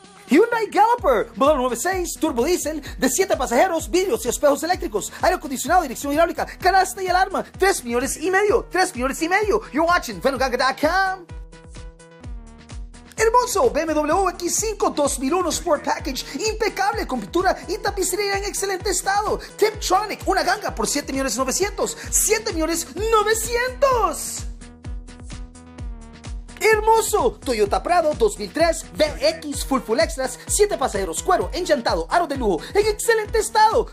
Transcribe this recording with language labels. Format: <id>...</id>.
<es>Hyundai Galloper, modelo 9.6, turbo diésel, de 7 pasajeros, vidrios y espejos eléctricos, aire acondicionado, dirección hidráulica, canasta y alarma, 3,5 millones, 3,5 millones.</es> <en>You're watching VenoGaga.com.</en> <es>Hermoso BMW X5 2001 Sport Package, impecable con pintura y tapicería en excelente estado. Tiptronic, una ganga por 7,900, 7,900. Hermoso Toyota Prado 2003 BX full extras, 7 pasajeros, cuero enllantado, aro de lujo, en excelente estado.</es>